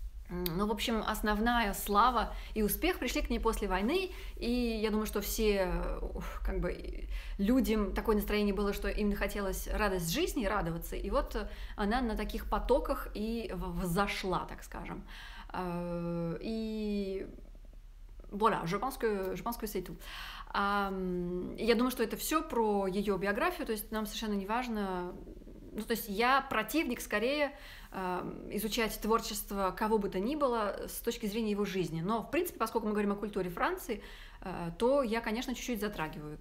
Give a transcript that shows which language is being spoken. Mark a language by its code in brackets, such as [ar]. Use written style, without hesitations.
[ru] ну, в общем, основная слава и успех пришли к ней после войны, и я думаю, что все, как бы, людям такое настроение было, что им хотелось радость жизни, радоваться, и вот она на таких потоках и взошла, так скажем. И [fr] voilà, je pense que c'est tout. [ru] Я думаю, что это все про ее биографию, то есть нам совершенно не важно. Ну, то есть я противник, скорее, изучать творчество кого бы то ни было с точки зрения его жизни. Но, в принципе, поскольку мы говорим о культуре Франции, то я, конечно, чуть-чуть затрагиваю.